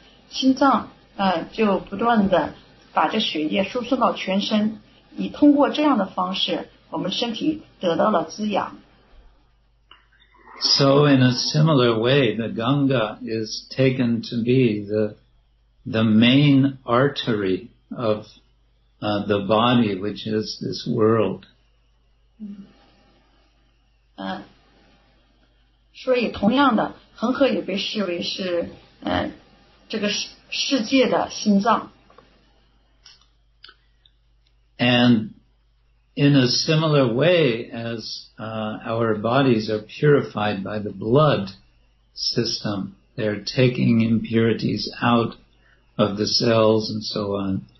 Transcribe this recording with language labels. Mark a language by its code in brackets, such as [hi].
[zh] 心脏就不断的把这血液输送到全身，以通过这样的方式，我们身体得到了滋养。 [en] So in a similar way, the Ganga is taken to be the main artery of the body, which is this world. [zh] 所以同样的，恒河也被视为是这个世界的心脏。 [en] And in a similar way as our bodies are purified by the blood system, they're taking impurities out of the cells and so on.